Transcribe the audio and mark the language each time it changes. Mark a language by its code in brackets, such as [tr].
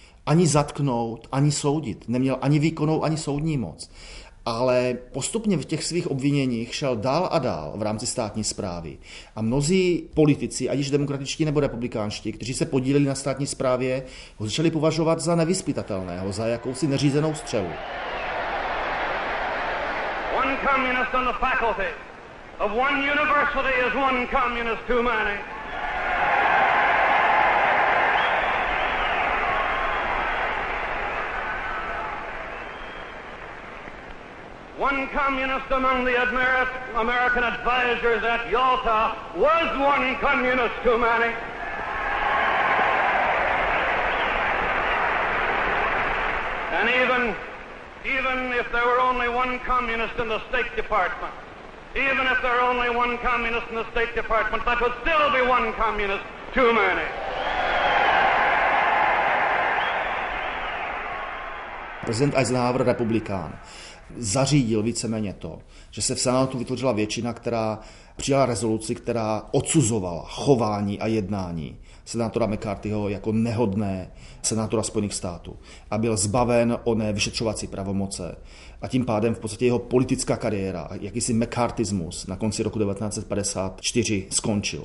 [cs] Ani zatknout, ani soudit. Neměl ani výkonnou, ani soudní moc. Ale postupně v těch svých obviněních šel dál a dál v rámci státní správy. A mnozí politici, ať již demokratičtí nebo republikánští, kteří se podíleli na státní správě, ho začali považovat za nevyzpytatelného, za jakousi neřízenou střelu. [en] One communist on the faculty of one university is one communist too many. One communist among the American advisors at Yalta was one communist too many. And even if there were only one communist in the State Department, even if there were only one communist in the State Department, that would still be one communist too many. President Eisenhower, Republican. [cs] Zařídil víceméně to, že se v Senátu vytvořila většina, která přijala rezoluci, která odsuzovala chování a jednání senátora McCarthyho jako nehodné senátora Spojených států a byl zbaven oné vyšetřovací pravomoce. A tím pádem v podstatě jeho politická kariéra, jakýsi McCarthyismus na konci roku 1954 skončil.